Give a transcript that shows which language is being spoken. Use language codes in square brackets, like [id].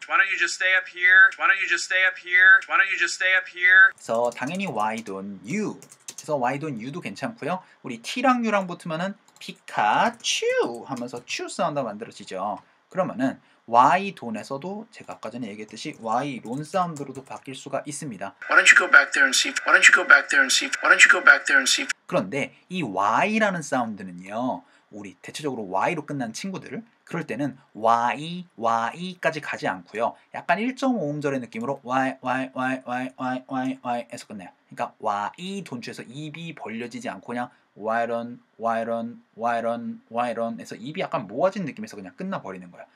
[en] Why don't you just stay up here? Why don't you just stay up here? Why don't you just stay up here? [ko] 그래서 당연히 [en] why don't you? [ko] 그래서 why don't you도 괜찮고요. 우리 T랑 U랑 붙으면은 피카츄 하면서 츄 사운드가 만들어지죠. 그러면은 Y 돈에서도 제가 아까 전에 얘기했듯이 Y 론 사운드로도 바뀔 수가 있습니다. [en] Why don't you go back there and see? Why don't you go back there and see? Why don't you go back there and see? [ko] 그런데 이 Y라는 사운드는요. 우리 대체적으로 Y로 끝난 친구들 그럴 때는 Y, Y까지 가지 않고요. 약간 1.5음절의 느낌으로 Y, Y, Y, Y, Y, Y, Y 해서 끝내요. 그러니까 Y 돈추에서 입이 벌려지지 않고 그냥 [en] Why run, why run, why run, why run [ko] 해서 입이 약간 모아진 느낌에서 그냥 끝나버리는 거예요.